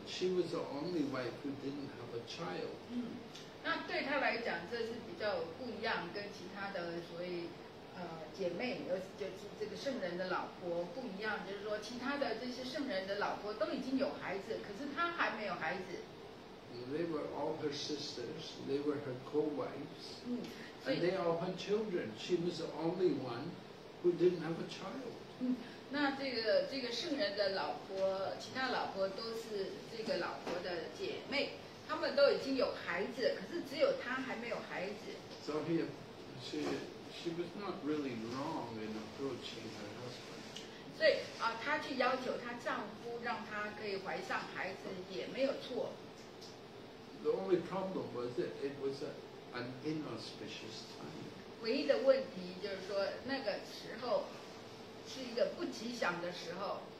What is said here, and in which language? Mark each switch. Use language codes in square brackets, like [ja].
[en] She was the only wife who didn't have a child. [zh] 那对她来讲，这是比较不一样，跟其他的所谓姐妹，就是这个圣人的老婆不一样，就是说其他的这些圣人的老婆都已经有孩子，可是她还没有孩子。 [en] They were all her sisters. They were her co-wives, and they all had children. She was the only one who didn't have a child. [zh] 那这个圣人的老婆，其他老婆都是这个老婆的姐妹，她们都已经有孩子，可是只有她还没有孩子。 [en] So she was not really wrong in approaching her husband. [zh] 所以她去要求她丈夫让她可以怀上孩子也没有错。 [en] The only problem was that it was an inauspicious time. [zh] 唯一的问题就是说，那个时候是一个不吉祥的时候。